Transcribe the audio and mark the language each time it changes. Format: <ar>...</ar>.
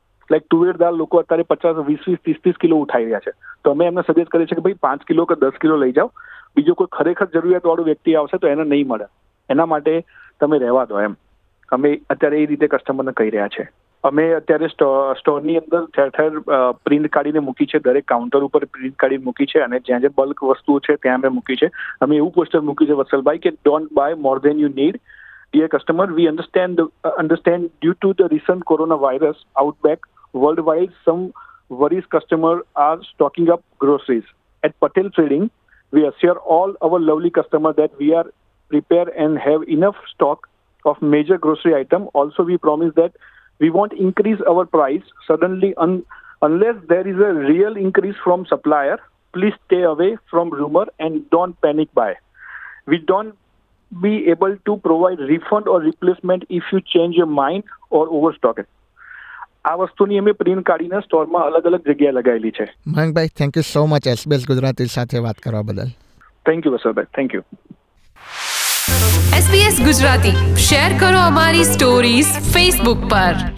<gu>Like તુવેર દાળ લોકો અત્યારે 50, 20, 20, 30, 30 કિલો ઉઠાવી રહ્યા છે, તો અમે એમને સજેસ્ટ કરીએ છીએ કે ભાઈ 5 કિલો કે 10 કિલો લઈ જાઓ, બીજો કોઈ ખરેખર જરૂરિયાતવાળો વ્યક્તિ આવશે તો એને નહીં મળે, એના માટે તમે રહેવા દો. એમ અમે અત્યારે એ રીતે કસ્ટમરને કહી રહ્યા છે. અમે અત્યારે સ્ટોરની અંદર ઠેર ઠેર પ્રિન્ટ કાઢીને મૂકી છે, દરેક કાઉન્ટર ઉપર પ્રિન્ટ કાઢી મૂકી છે અને જ્યાં જ્યાં બલ્ક વસ્તુઓ છે ત્યાં અમે મૂકી છે. અમે એવું પોસ્ટર મૂક્યું છે વત્સલભાઈ કે</gu> <en>Don't buy more than you need. Dear customer, we understand due to the recent coronavirus outbreak worldwide, some worried customers are stocking up groceries. At Patel Trading, we assure all our lovely customers that we are prepared and have enough stock of major grocery item. Also, we promise that we won't increase our price suddenly unless there is a real increase from supplier. Please stay away from rumor and don't panic buy. We don't be able to provide refund or replacement if you change your mind or overstock it.</en> <gu>આ વસ્તુની અમે print કાઢીને સ્ટોરમાં અલગ અલગ જગ્યાએ લગાવેલી છે. મહેંગભાઈ,</gu> <en>thank you so much</en> <gu>SBS Gujarati સાથે વાત કરવા બદલ. Thank you વસલભાઈ, thank you. SBS Gujarati, share કરો અમારી સ્ટોરીઝ Facebook પર.</gu>